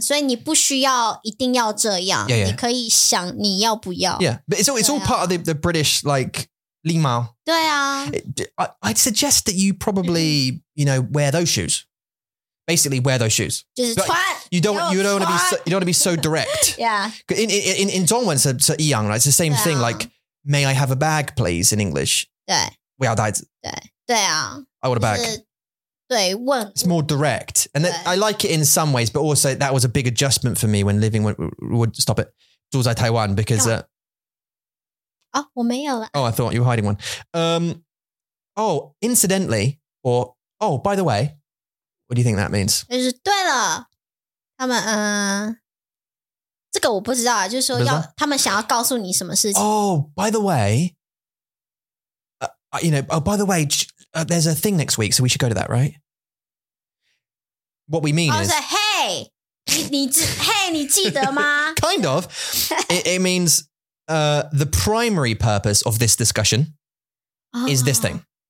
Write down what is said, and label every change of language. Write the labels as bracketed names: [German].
[Chinese] 所以你不需要一定要这样, [English] yeah, yeah. [Chinese] 你可以想你要不要。 [English] Yeah, but it's all part of the British, like, [Chinese] 礼貌. 对啊。 [English] I'd suggest that you probably, you know, wear those shoes. Basically, wear those shoes. You don't want to be so direct. Yeah. In 中文, so [Chinese] 一样, [English] right? It's the same thing, like, may I have a bag, please, in English. [Chinese] 对。对啊。 [English] I want a bag. [Chinese] 对,问, [English] it's more direct. And that, I like it in some ways, but also that was a big adjustment for me when living, would stop it, [Chinese] 住在台湾, [English] because... No. [Chinese] 我没有了。 [English] Oh, I thought you were hiding one. Incidentally, or, oh, by the way, what do you think that means? [Chinese] 就是对了,他们, 这个我不知道,就是说要,他们想要告诉你什么事情。 [English] Oh, by the way, there's a thing next week, so we should go to that, right? What we mean is... I was like, hey! [Chinese] 你记得吗? [English] Kind of. It means the primary purpose of this discussion is this thing.